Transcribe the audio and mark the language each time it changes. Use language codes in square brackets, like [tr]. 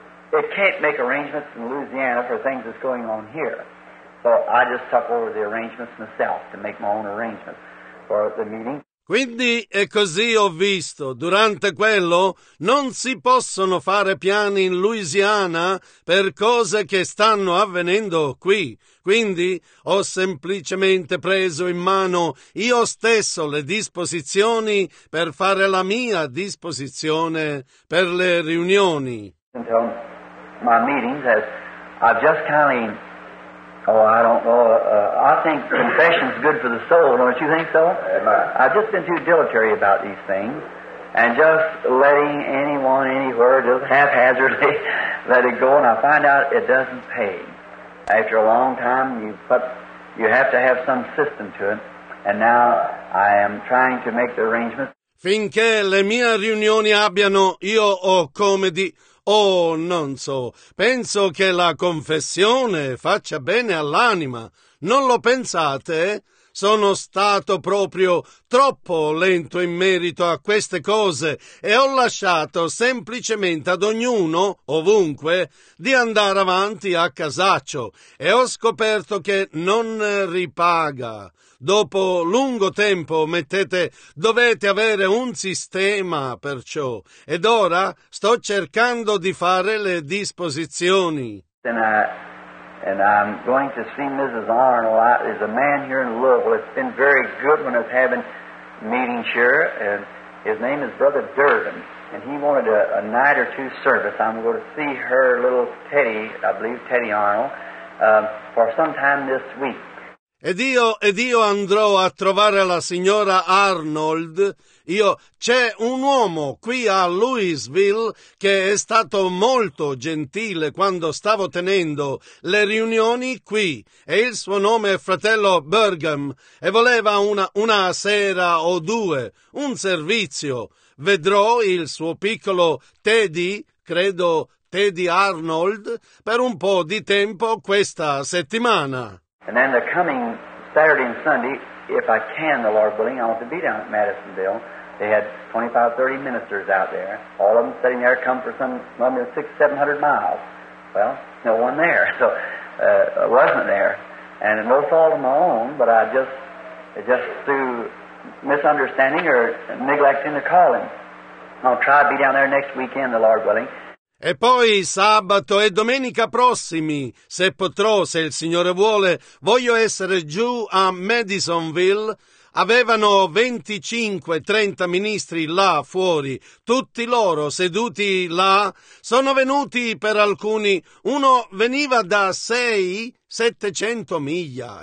[en] It can't make arrangements in Louisiana for things that's going on here. So I just took over the arrangements myself to make my own arrangements for the meeting. [it] Quindi è così, ho visto, durante quello non si possono fare piani in Louisiana per cose che stanno avvenendo qui. Quindi ho semplicemente preso in mano io stesso le disposizioni per fare la mia disposizione per le riunioni. [en] Until my meetings, as I've just kind of, I think confession's good for the soul, don't you think so? Amen. I've just been too dilatory about these things, and just letting anyone, anywhere, just haphazardly let it go, and I find out it doesn't pay. After a long time, you have to have some system to it, and now I am trying to make the arrangements. [it] Finché le mie riunioni abbiano, io ho come di... Oh, non so, penso che la confessione faccia bene all'anima. Non lo pensate? Sono stato proprio troppo lento in merito a queste cose e ho lasciato semplicemente ad ognuno, ovunque, di andare avanti a casaccio e ho scoperto che non ripaga. Dopo lungo tempo, dovete avere un sistema perciò. Ed ora sto cercando di fare le disposizioni. [en] And I'm going to see Mrs. Arnold. There's a man here in Louisville. It's been very good when it's having meetings here. And his name is Brother Durbin. And he wanted a night or two service. I'm going to see her little Teddy, I believe Teddy Arnold, for some time this week. [it] Ed io andrò a trovare la signora Arnold. C'è un uomo qui a Louisville che è stato molto gentile quando stavo tenendo le riunioni qui. E il suo nome è fratello Burgum e voleva una sera o due, un servizio. Vedrò il suo piccolo Teddy, credo Teddy Arnold, per un po' di tempo questa settimana. [en] And then the coming Saturday and Sunday, if I can, the Lord willing, I want to be down at Madisonville. They had 25-30 ministers out there. All of them sitting there come for some, 600-700 miles. Well, no one there, so I wasn't there. And most all of my own, but I just through misunderstanding or neglecting the calling. I'll try to be down there next weekend, the Lord willing. [it] E poi sabato e domenica prossimi, se potrò, se il Signore vuole, voglio essere giù a Madisonville. Avevano 25-30 ministri là fuori, tutti loro seduti là. Sono venuti per alcuni, uno veniva da 600-700 miglia.